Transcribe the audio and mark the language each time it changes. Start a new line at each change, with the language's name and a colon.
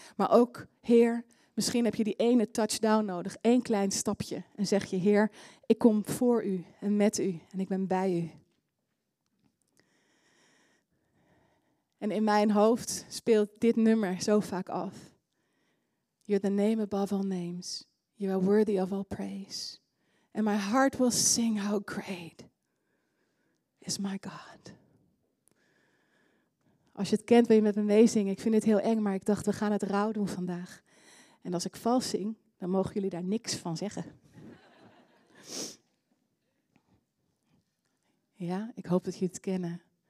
Dutch: Maar ook, Heer, misschien heb je die ene touchdown nodig, één klein stapje. En zeg je, Heer, ik kom voor u en met u en ik ben bij u. En in mijn hoofd speelt dit nummer zo vaak af.
English: You're the name above all names. You are worthy of all praise. And my heart will sing how great is my God.
Dutch: Als je het kent, wil je met me meezingen. Ik vind het heel eng, maar ik dacht, we gaan het rauw doen vandaag. En als ik vals zing, dan mogen jullie daar niks van zeggen. Ja, ik hoop dat jullie het kennen.